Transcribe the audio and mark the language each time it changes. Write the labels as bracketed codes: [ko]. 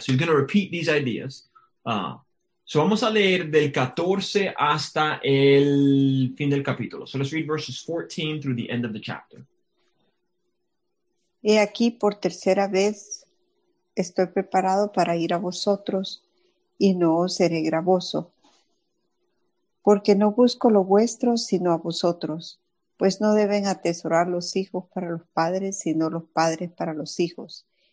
[en] So he's going to repeat these ideas. [es] So vamos a leer del 14 hasta el fin del capítulo. [en] So let's read verses 14 through the end of the chapter. [es] He aquí por tercera vez estoy preparado para ir a vosotros. Y no seré gravoso, porque no busco lo vuestro, sino a vosotros. Pues no deben atesorar los hijos para los padres, sino los padres para los hijos.